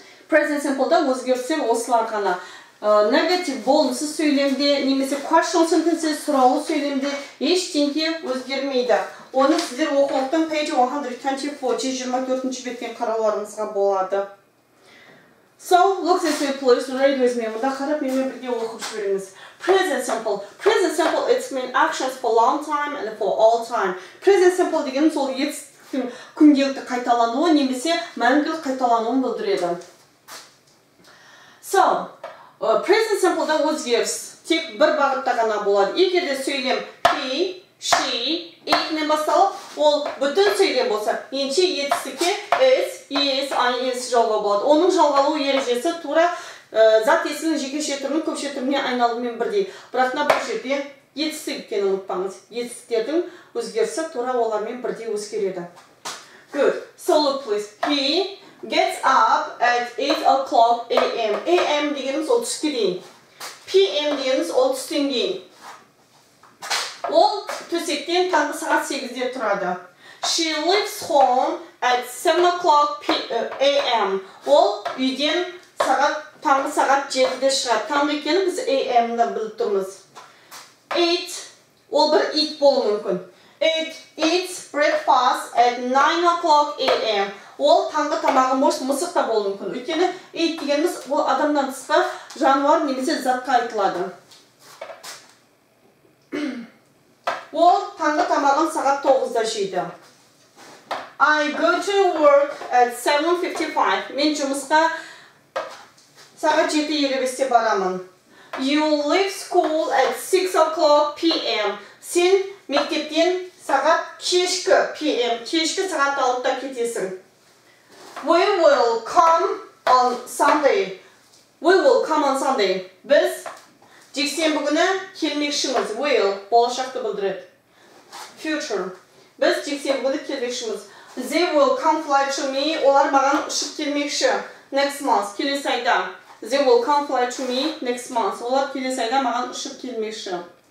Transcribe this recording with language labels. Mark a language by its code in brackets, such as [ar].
[kk] Present simple-да өзгерістер осылар ғана. Negative болмысы сөйлемде, немесе question sentence сұрауы сөйлемде ештеңке өзгермейді. Оны сіздер оқулықтың page 124, 124-ші беттен қарауларыңызға болады. [en] So, look at the place, read with me. [kk] Мұнда қарап, менімен бірге оқып жіберіңіз. [en] Present simple. Present simple, it's mean actions for long time and for all time. [kk] Present simple деген сол етістіктің күнделікті қайталануы, немесе мәңгілік қайталануын білдіреді. So, present simple-да өзгеріс тек бір бағытта ғана болады. Егер де сөйлем he, she, it-нен басталып, ол бүтін сөйлем болса, енше етістікке is, is, I, is жалғау болады. Оның жалғалу ережесі тура зат есімінің жекеше түрінің көпше түріне айналумен бірдей. Бірақ бұл жерде етістік екенін ұмытпаңыз. Етістіктердің өзгерісі тура олармен бірдей өзгереді. [en] Good. So look, please. He gets up at 8 o'clock a.m. A.m. [kk] дегеніміз ол түске дейін. [en] P.m. [kk] дегеніміз ол түстен кейін. Ол төсектен таңғы сағат 8-де тұрады. [en] She leaves home at 7 o'clock a.m. [kk] Ол үйден сағат, таңғы сағат 7-де шығады. Таңғы екені біз a.m.-ді біліп тұрмыз. [en] Eat. [kk] Ол бір eat болу мүмкін. [en] It eats breakfast at 9 o'clock a.m. [kk] Ол таңғы тамағы мысықта болу мүмкін. Өйткені eat дегеніміз ол адамнан тысқа жануар немесе затқа айтылады. Ол таңғы тамағын сағат 9-да жейді. [en] I go to work at 7:55. [kk] Мен жұмысқа сағат 7:25-те барамын. [en] You leave school at 6 o'clock p.m. [kk] Сен мектептен сағат кешкі p.m. кешкі сағат 6-та кетесің. [en] We will come on Sunday. We will come on Sunday. [kk] Біз жексенбі күні келмекшіміз. Will болашақты білдіреді. [en] Future. [kk] Біз жексенбі күні келмекшіміз. [en] They will come fly to me. [kk] Олар маған ұшып келмекші. [en] Next month. [kk] Келесі айда. [en] They will come fly to me next month. [kk] Олар келесі айда маған ұшып келмекші.